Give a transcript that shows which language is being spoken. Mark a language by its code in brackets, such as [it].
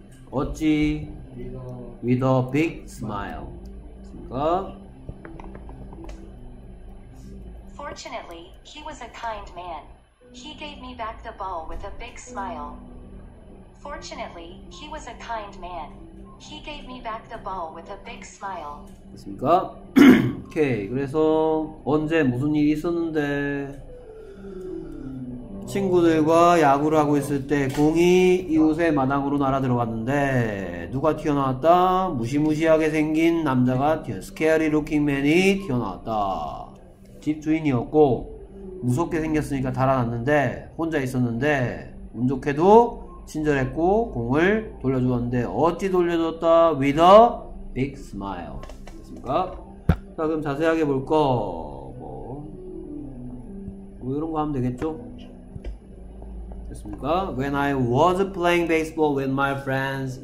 [ko] 어찌? [en] With a big smile. [ko] 그러니까? [en] Fortunately, he was a kind man. He gave me back the ball with a big smile. Fortunately, he was a kind man. He gave me back the ball with a big smile. [ko] 됐습니까? 오케이. 그래서 언제 무슨 일이 있었는데? 친구들과 야구를 하고 있을 때 공이 이웃의 마당으로 날아 들어갔는데 누가 튀어나왔다? 무시무시하게 생긴 남자가 스케어리 루킹 맨이 튀어나왔다. 집주인이었고 무섭게 생겼으니까 달아났는데 혼자 있었는데 운 좋게도 친절했고 공을 돌려주었는데 어찌 돌려줬다? [en] With a big smile. [ko] 됐습니까? 자 그럼 자세하게 볼 거 뭐 이런 거 하면 되겠죠? 됐습니까? [en] When I was playing baseball with my friends.